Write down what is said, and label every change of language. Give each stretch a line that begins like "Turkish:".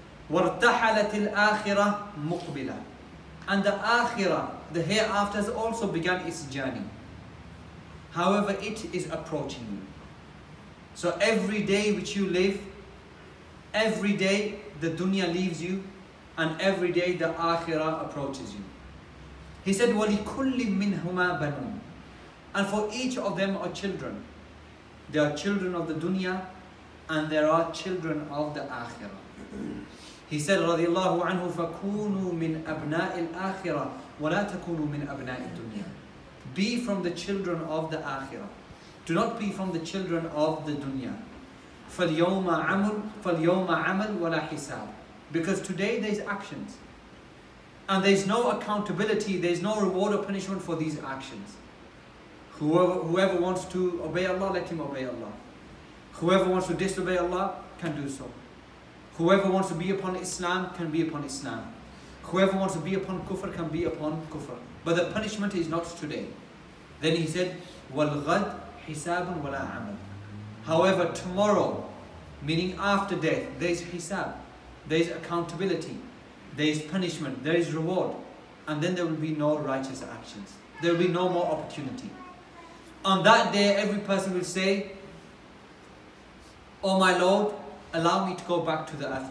Arabic: "Wartahalati al-akhira muqbila."
English: And the akhira, the hereafter, has also begun its journey. However, it is approaching you. So every day which you live, every day the dunya leaves you, and every day the akhirah approaches you. He said,
Arabic: وَلِكُلِّ مِنْهُمَا بَنُونَ.
English: And for each of them are children. There are children of the dunya, and there are children of the akhirah. He said,
Arabic: رضي الله عنه فكونوا من أبناء الآخرة ولا تكونوا من أبناء الدنيا.
English: Be from the children of the Akhirah. Do not be from the children of the dunya.
Arabic: فَالْيَوْمَ عَمَلْ وَلَا حِسَابٍ.
English: Because today there's actions. And there's no accountability, there's no reward or punishment for these actions. Whoever wants to obey Allah, let him obey Allah. Whoever wants to disobey Allah, can do so. Whoever wants to be upon Islam, can be upon Islam. Whoever wants to be upon kufr, can be upon kufr. But the punishment is not today. Then he said,
Arabic: وَالْغَدْ حِسَابٌ وَلَا عَمَلٌ.
English: However, tomorrow, meaning after death, there is hisab, there is accountability, there is punishment, there is reward, and then there will be no righteous actions. There will be no more opportunity. On that day, every person will say, Oh my Lord, allow me to go back to the earth.